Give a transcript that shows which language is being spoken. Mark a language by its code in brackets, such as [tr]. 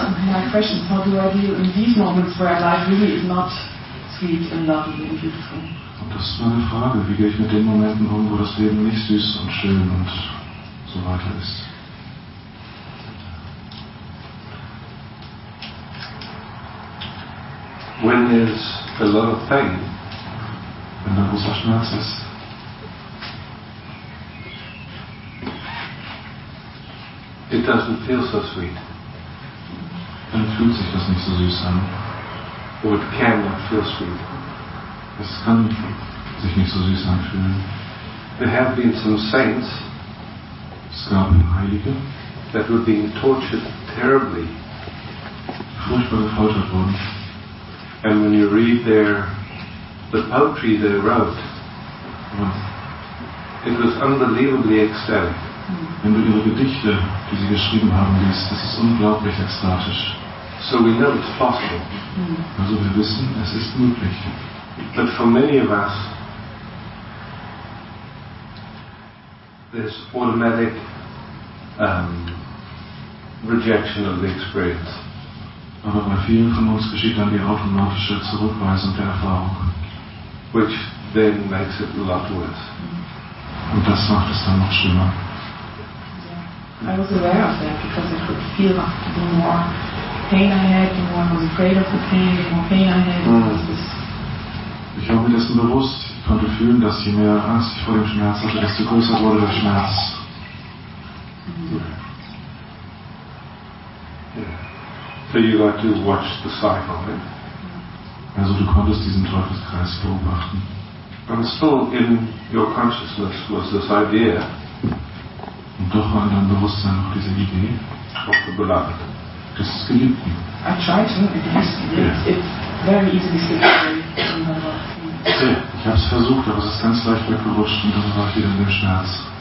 [en] My question is, how do I deal in these moments where life really is not sweet and lovely and beautiful? [de] Und das ist meine Frage, wie gehe ich mit den Momenten um, wo das Leben nicht süß und schön und so weiter ist? [en] When there's a lot of pain, [de] wenn da großer Schmerz ist. [en] It doesn't feel so sweet. [de] Dann fühlt sich das nicht so süß an. [en] Or it cannot feel sweet. [de] Es kann sich nicht so süß anfühlen. [en] There have been some saints. [de] Es gab Heilige. [en] That were being tortured terribly. [de] Furchtbar gefoltert worden. [en] And when you read their the poetry they wrote, it was unbelievably ecstatic. [de] Wenn du ihre Gedichte, die sie geschrieben haben, liest, das ist unglaublich ekstatisch. [en] So we know it's possible. [de] Also wir wissen, es ist möglich. [en] But for many of us, there's automatic rejection of the experience. [de] Aber bei vielen von uns geschieht dann die automatische Zurückweisung der Erfahrung. [en] Which then makes it a lot worse. [de] Und das macht es dann noch schlimmer. [en] Yeah. I was aware of that because I could feel the more pain I had, the more I was afraid of the pain, the more pain I had. [de] Ich war mir dessen bewusst, ich konnte fühlen, dass je mehr Angst ich vor dem Schmerz hatte, desto größer wurde der Schmerz. [en] So you got to watch the cycle, right? [de] Also du konntest diesen Teufelskreis beobachten. [en] But still in your consciousness was this idea. [de] Und doch war in deinem Bewusstsein noch diese Idee. [en] Of the beloved. [de] Das ist geliebt. [en] I tried to, it's very easy to [de] Ich habe es versucht, aber es ist ganz leicht weggerutscht und dann war ich wieder in dem Schmerz.